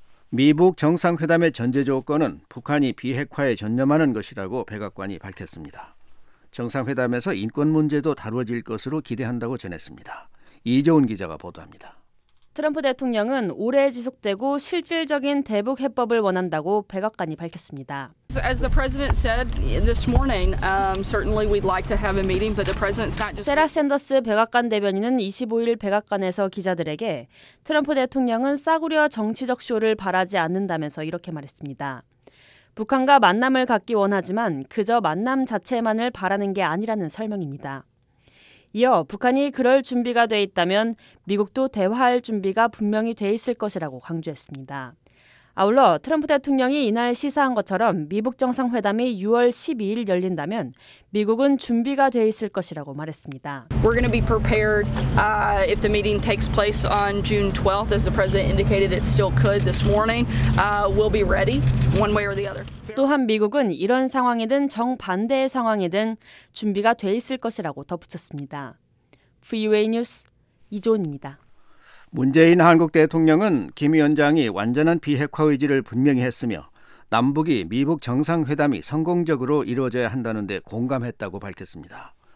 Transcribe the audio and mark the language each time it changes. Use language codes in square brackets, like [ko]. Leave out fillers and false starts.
[ko] 미북 정상회담의 전제 조건은 북한이 비핵화에 전념하는 것이라고 백악관이 밝혔습니다. 정상회담에서 인권 문제도 다뤄질 것으로 기대한다고 전했습니다. 이재훈 기자가 보도합니다. 트럼프 대통령은 오래 지속되고 실질적인 대북 해법을 원한다고 백악관이 밝혔습니다. [en] As the president said this morning, certainly we'd like to have a meeting, but the president's not just [ko] 세라 샌더스 백악관 대변인은 25일 백악관에서 기자들에게 트럼프 대통령은 싸구려 정치적 쇼를 바라지 않는다면서 이렇게 말했습니다. 북한과 만남을 갖기 원하지만 그저 만남 자체만을 바라는 게 아니라는 설명입니다. 이어 북한이 그럴 준비가 돼 있다면 미국도 대화할 준비가 분명히 돼 있을 것이라고 강조했습니다. 아울러 트럼프 대통령이 이날 시사한 것처럼 미북 정상회담이 6월 12일 열린다면 미국은 준비가 돼 있을 것이라고 말했습니다. [en] We're going to be prepared if the meeting takes place on June 12th as the president indicated it still could this morning. We'll be ready one way or the other. [ko] 또한 미국은 이런 상황이든 정반대의 상황이든 준비가 돼 있을 것이라고 덧붙였습니다. VOA 뉴스 이조은입니다. 문재인 한국 대통령은 김 위원장이 완전한 비핵화 의지를 분명히 했으며 남북이 미북 정상회담이 성공적으로 이루어져야 한다는 데 공감했다고 밝혔습니다.